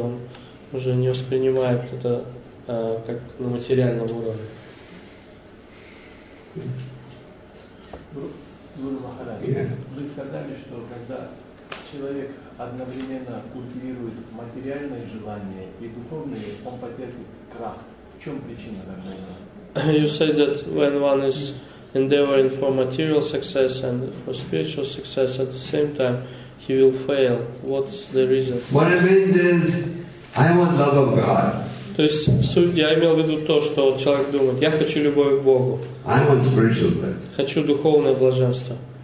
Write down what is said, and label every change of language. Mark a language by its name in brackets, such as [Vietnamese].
[Russian] Он уже не воспринимает это как на материальном уровне. Гуру Махарадж, вы сказали, что когда человек одновременно культивирует материальные желания и духовные, он потерпит крах. В чем причина такого? [English] You say that when one is endeavoring for material success and for spiritual success at the same time, he will fail. What's the reason? What I mean is, I want love of God. [Russian] То есть суть, я имел в виду то, что человек думает, я хочу любовь к Богу. [English] I want spiritual bliss. [Russian] Хочу духовное блаженство.